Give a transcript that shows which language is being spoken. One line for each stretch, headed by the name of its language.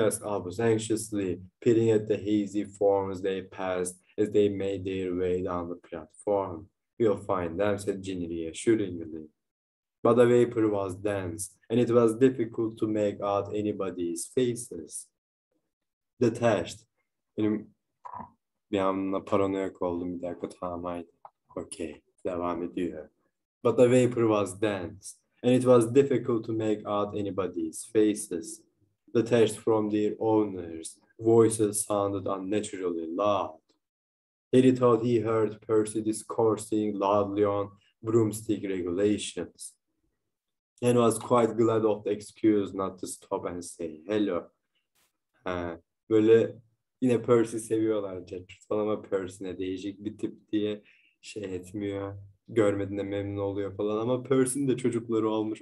English: Asked Albus anxiously, peering at the hazy forms they passed as they made their way down the platform. We'll find them, said Ginny reassuringly. But the vapor was dense, and it was difficult to make out anybody's faces. Detached.
Turkish: Benim bir anla paranoyak oldum, bir dakika tamam haydi. Okay, devam ediyor.
English: But the vapor was dense, and it was difficult to make out anybody's faces. Detached from their owners, voices sounded unnaturally loud. Harry thought he heard Percy discoursing loudly on broomstick regulations, and was quite glad of the excuse not to stop and say hello.
Turkish: Böyle yine Percy seviyorlar Cedric falan, ama Percy'ne değişik bir tip diye şey etmiyor. Görmediğinde memnun oluyor falan, ama Percy'nin de çocukları olmuş.